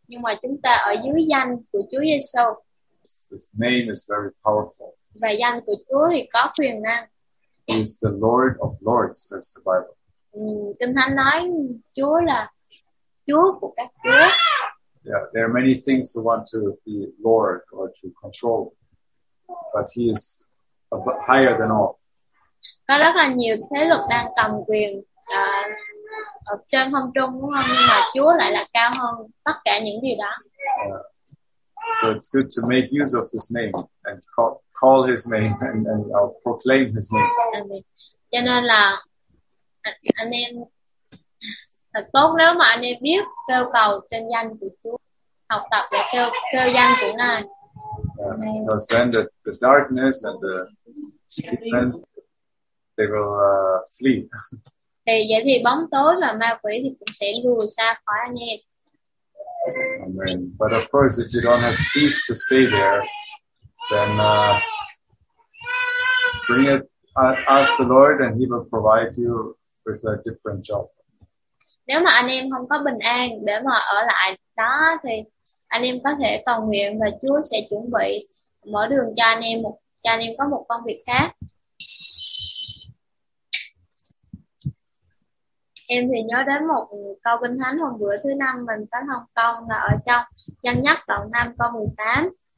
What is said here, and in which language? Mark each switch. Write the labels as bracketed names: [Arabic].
[Vietnamese] Nhưng mà chúng ta ở dưới danh của Chúa Giêsu. [English] His name is very powerful. [Vietnamese] Và danh của Chúa thì có quyền năng. [English] He is the Lord of Lords, says the Bible. [Vietnamese] Kinh Thánh nói Chúa là Chúa của các Chúa. [English] Yeah, there are many things to want to be Lord or to control, but He is higher than all. [Vietnamese] Có rất là nhiều thế lực đang cầm quyền ở trên không trung đúng không? Nhưng mà Chúa lại là cao hơn tất cả những điều đó. [English] So it's good to make use of His name and call His name and proclaim His name. Amen. [Vietnamese] Cho nên là anh em thật tốt nếu mà anh em biết kêu cầu trên danh của Chúa, học tập và kêu danh của Ngài. [English] Yeah, because then the darkness and the demons, they will flee. [Vietnamese] Thì vậy thì bóng tối và ma quỷ thì cũng sẽ lùi xa khỏi anh em. Amen. [English] But of course, if you don't have peace to stay there, then bring it, ask the Lord, and He will provide you with a different job. [Vietnamese] Nếu mà anh em không có bình an để mà ở lại đó thì anh em có thể cầu nguyện và Chúa sẽ chuẩn bị mở đường cho anh em có một công việc khác. Em thì nhớ đến một câu Kinh Thánh hôm bữa thứ năm mình có học công là ở trong Dân Nhất đoạn 5 câu 18.